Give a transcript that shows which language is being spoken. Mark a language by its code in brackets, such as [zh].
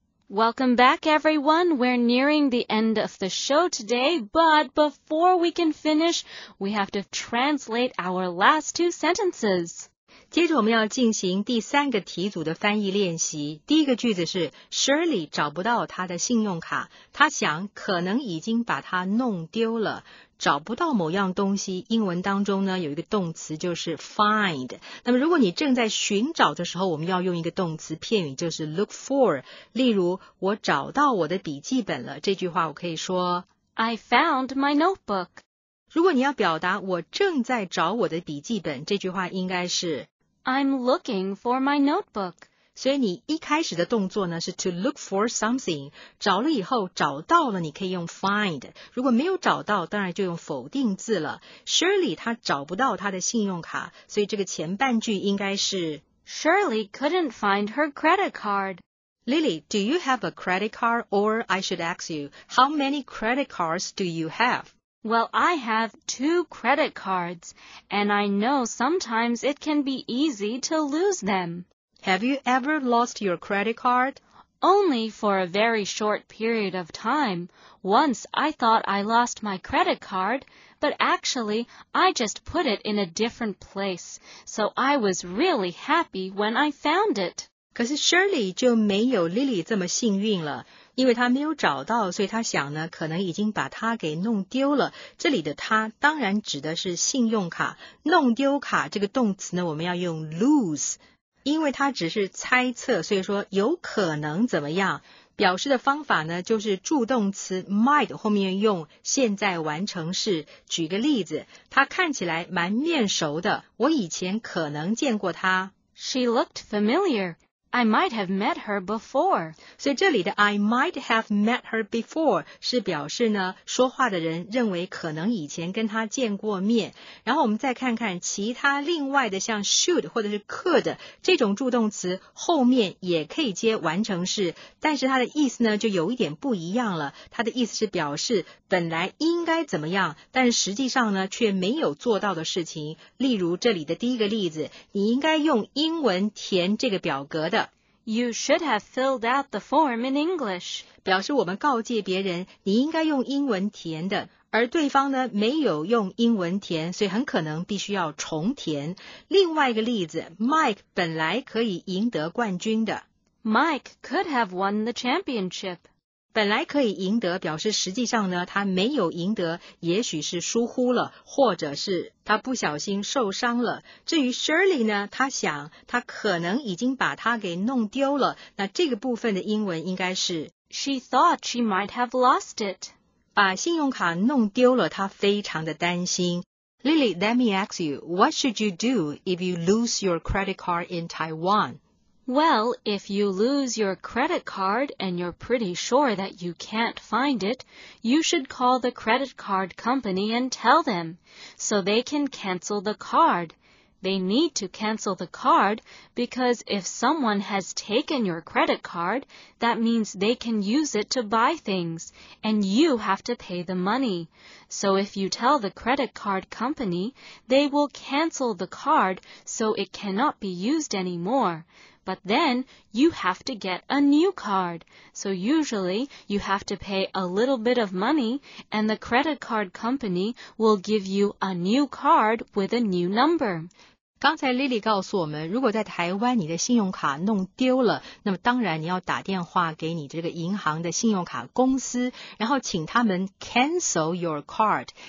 [en] Welcome back, everyone. We're nearing the end of the show today, but before we can finish, we have to translate our last two sentences. [zh] 接着我们要进行第三个题组的翻译练习。第一个句子是 Shirley 找不到她的信用卡，她想可能已经把它弄丢了。找不到某样东西，英文当中呢有一个动词就是 find。那么如果你正在寻找的时候，我们要用一个动词片语，就是 look for。例如，我找到我的笔记本了，这句话我可以说 [en] I found my notebook。 [zh] 如果你要表达我正在找我的笔记本，这句话应该是 [en] I'm looking for my notebook。 [zh] 所以你一开始的动作呢是 [en] to look for something， [zh] 找了以后找到了你可以用 find， 如果没有找到当然就用否定字了。 Shirley 她找不到她的信用卡，所以这个前半句应该是 [en] Shirley couldn't find her credit card。 Lily, do you have a credit card? Or I should ask you, how many credit cards do you have? Well, I have two credit cards, and I know sometimes it can be easy to lose them. Have you ever lost your credit card? Only for a very short period of time. Once I thought I lost my credit card, but actually I just put it in a different place, so I was really happy when I found it. [zh] 可是 Shirley 就没有 Lily 这么幸运了。因为他没有找到，所以他想呢，可能已经把他给弄丢了。这里的他当然指的是信用卡。弄丢卡这个动词呢，我们要用 lose， 因为他只是猜测，所以说有可能怎么样。表示的方法呢，就是助动词 might 后面用现在完成式。举个例子，他看起来蛮面熟的，我以前可能见过他。 [en] She looked familiar. I might have met her before. [zh] 所以这里的 [en] I might have met her before [zh] 是表示呢，说话的人认为可能以前跟他见过面。然后我们再看看其他另外的，像 should 或者是 could 这种助动词，后面也可以接完成式，但是它的意思呢就有一点不一样了。它的意思是表示本来应该怎么样，但实际上呢却没有做到的事情。例如这里的第一个例子，你应该用英文填这个表格。 [en] You should have filled out the form in English. [zh] 表示我们告诫别人，你应该用英文填的，而对方呢，没有用英文填，所以很可能必须要重填。另外一个例子，Mike 本来可以赢得冠军的。 [en] Mike could have won the championship. [zh] 本来可以赢得表示实际上呢，他没有赢得，也许是疏忽了，或者是他不小心受伤了。至于 Shirley 呢，他想他可能已经把他给弄丢了。那这个部分的英文应该是 [en] She thought she might have lost it. [zh] 把信用卡弄丢了，他非常的担心。 [en] Lily, let me ask you, what should you do if you lose your credit card in Taiwan? Well, if you lose your credit card and you're pretty sure that you can't find it, you should call the credit card company and tell them, so they can cancel the card. They need to cancel the card because if someone has taken your credit card, that means they can use it to buy things, and you have to pay the money. So if you tell the credit card company, they will cancel the card so it cannot be used anymore. But then you have to get a new card. So usually you have to pay a little bit of money, and the credit card company will give you a new card with a new number. [zh] 刚才 Lily 告诉我们，如果在台湾你的信用卡弄丢了，那么当然你要打电话给你这个银行的信用卡公司，然后请他们 [en] cancel your card。